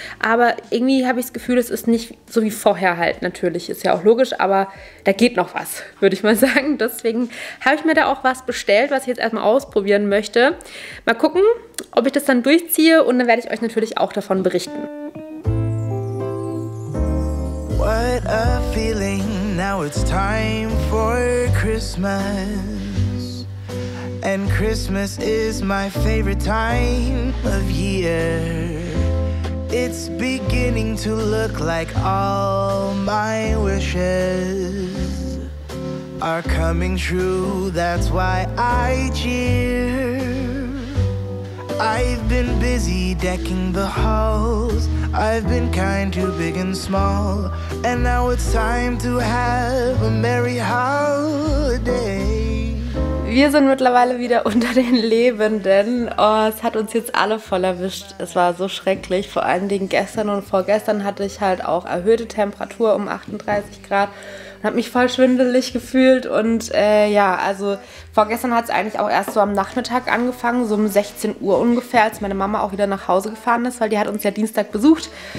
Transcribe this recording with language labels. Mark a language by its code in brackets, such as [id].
[de] Aber irgendwie habe ich das Gefühl, es ist nicht so wie vorher halt. Natürlich ist ja auch logisch, aber da geht noch was, würde ich mal sagen. Deswegen habe ich mir da auch was bestellt, was ich jetzt erstmal ausprobieren möchte. Mal gucken, ob ich das dann durchziehe. Und dann werde ich euch natürlich auch davon berichten. [en] What a feeling, now it's time for Christmas. And Christmas is my favorite time of year. It's beginning to look like all my wishes are coming true, that's why I cheer. I've been busy decking the halls. I've been kind to big and small. And now it's time to have a merry holiday. [de] Wir sind mittlerweile wieder unter den Lebenden. Oh, es hat uns jetzt alle voll erwischt. Es war so schrecklich. Vor allen Dingen gestern und vorgestern hatte ich halt auch erhöhte Temperatur um 38 Grad. Hat mich voll schwindelig gefühlt und ja, also vorgestern hat es eigentlich auch erst so am Nachmittag angefangen, so um 16 Uhr ungefähr, als meine Mama auch wieder nach Hause gefahren ist, weil die hat uns ja Dienstag besucht.